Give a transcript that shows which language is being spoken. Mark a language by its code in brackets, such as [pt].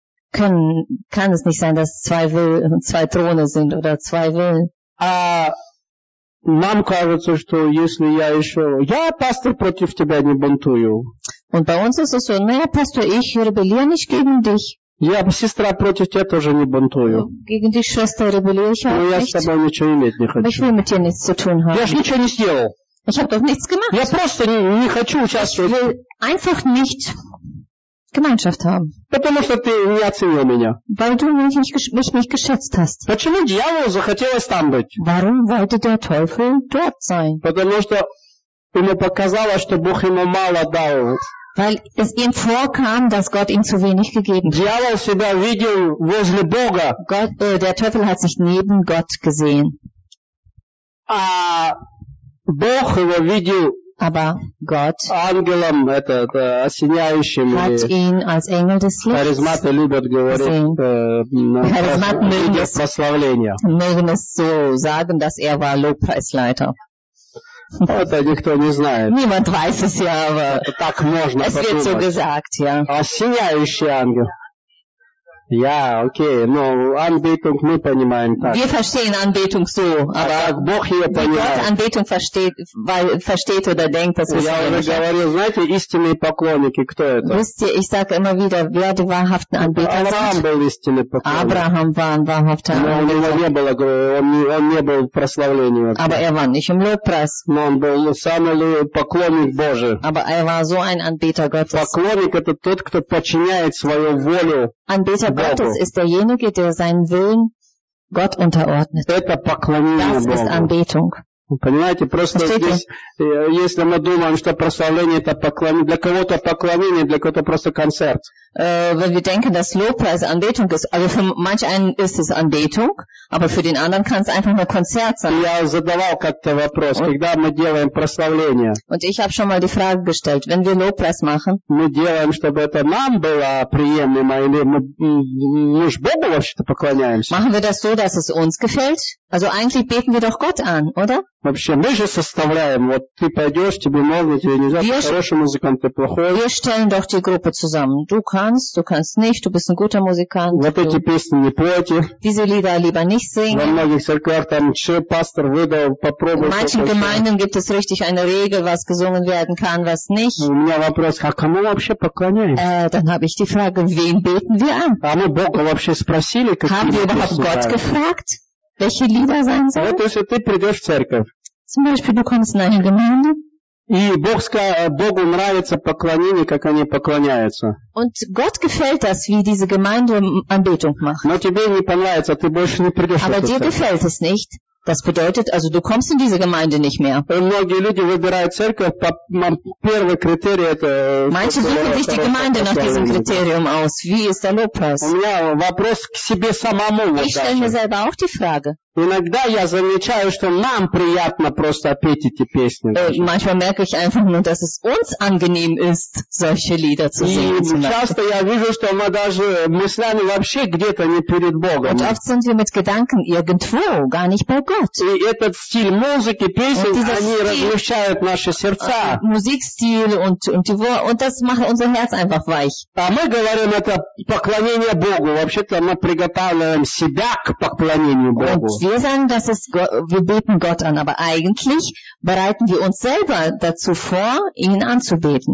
[de] Kann es nicht sein, dass zwei Throne sind oder zwei Willen. [ru] Нам кажется, что если я еще... Я, пастор, против тебя не бунтую. [de] Und bei uns ist es so, naja, Pastor, ich rebelliere nicht gegen dich. [ru] Я, сестра, против тебя тоже не бунтую. [de] Gegen dich, Schwester, rebelliere ich auch nicht. [ru] Но я с тобой ничего иметь не хочу. [de] Ich will mit dir nichts zu tun haben. [ru] Я ж ничего не сделал. [de] Ich habe doch nichts gemacht. [ru] Я просто не хочу участвовать. [de] Ich will einfach nicht Gemeinschaft haben. [ru] Потому что ты не оценил меня. [de] Weil du mich nicht geschätzt hast. [ru] Почему дьяволу захотелось там быть? [de] Warum wollte der Teufel dort sein? [ru] Потому что ему показалось, что Бог ему мало дал. [de] Weil es ihm vorkam, dass Gott ihm zu wenig gegeben hat. [ru] Дьявол себя видел возле Бога. [de] Der Teufel hat sich neben Gott gesehen. [ru] А Бог его видел. [de] Aber Gott [ru] Ангелом, это осеняющим, [de] hat ihn als Engel des Lichts [ru] Charismaten любят говорить, [de] mögen es so sagen, dass er war Lobpreisleiter. [ru] Это никто не знает. [de] Niemand weiß es ja, aber [ru] так можно [de] es [ru] подумать. [de] Wird so gesagt, ja. [ru] Осеняющий ангел. [de] Ja, okay, [ru] но Anbetung мы понимаем так. [de] Wir verstehen Anbetung so, aber [ru] как Бог ее понимает. [de] Wie Gott Anbetung versteht oder denkt, das ist [ru] ja, я уже говорил, знаете, истинные поклонники, кто это? [de] Wisst ihr, ich sage immer wieder, wer die wahrhaften Anbeter sind? [ru] Abraham был истинный поклонник. [de] Abraham war ein wahrhafter Anbeter. [ru] Но он не был, он не был в прославлении. [de] Aber er war nicht im Lobpreis. [ru] Но он был самый поклонник Божий. [de] Aber er war so ein Anbeter Gottes. [ru] Поклонник это тот, кто подчиняет свою волю. [de] Anbeter Gottes ist derjenige, der seinen Willen Gott unterordnet. Das ist Anbetung. [ru] Понимаете, просто здесь, если мы думаем, что прославление это поклонение, для кого-то поклонение, для кого-то просто концерт. [de] Wenn wir denken, dass Lobpreis Anbetung ist, also für manch einen ist es Anbetung, aber für den anderen kann es einfach nur Konzert sein. [ru] Я задавал как-то вопрос, когда мы делаем прославление. [de] Und ich habe schon mal die Frage gestellt, wenn wir Lobpreis machen. [ru] Мы делаем, чтобы это нам было приемлемо, или мы ж Богу вообще-то поклоняемся. [de] Machen wir das so, dass es uns gefällt? Also eigentlich beten wir doch Gott an, oder? [ru] Вообще, мы же составляем, вот ты пойдешь, тебе можно, тебе нельзя, ты хороший музыкант, ты плохой. [de] Wir stellen doch die Gruppe zusammen. Du kannst nicht, du bist ein guter Musikant. [ru] Вот эти песни не пойте. [de] Diese Lieder lieber nicht singen. [ru] Во многих церквях там, что пастор выдал, попробуй. [de] In manchen Gemeinden gibt es richtig eine Regel, was gesungen werden kann, was nicht. [ru] У меня вопрос, а кому вообще поклоняемся? [de] Dann habe ich die Frage, wen beten wir an? [ru] А мы Бога вообще спросили, какие [de] Haben wir überhaupt Gott gefragt? Welche Lieder sein sollen? [ru] Вот если ты придешь в церковь. [de] Zum Beispiel, du kommst in eine Gemeinde. [ru] И Богу нравится поклонение, как они поклоняются. [de] Und Gott gefällt das, wie diese Gemeinde Anbetung macht. [ru] Но тебе не понравится, ты больше не придешь. [de] Aber dir gefällt es nicht. Das bedeutet, also du kommst in diese Gemeinde nicht mehr. [ru] Многие люди выбирают церковь по первому критерию. Это. [de] Manche suchen sich die Gemeinde nach diesem Kriterium aus. Wie ist der Lobpreis? [ru] У меня вопрос к себе самому. [de] Ich stelle mir selber auch die Frage. [ru] Иногда я замечаю, что нам приятно просто петь эти песни. [de] Manchmal merke ich einfach nur, dass es uns angenehm ist, solche Lieder zu singen. [ru] И часто я вижу, что мы даже мыслями вообще где-то не перед Богом. [de] Und oft sind wir mit Gedanken irgendwo, gar nicht bei Gott. [ru] И этот стиль музыки, песен, они размягчают наши сердца. [de] Musikstil und das macht unser Herz einfach weich. [ru] А мы говорим, это поклонение Богу. Вообще-то мы приготавливаем себя к поклонению Богу. [de] Wir sagen, dass es wir beten Gott an, aber eigentlich bereiten wir uns selber dazu vor, ihn anzubeten.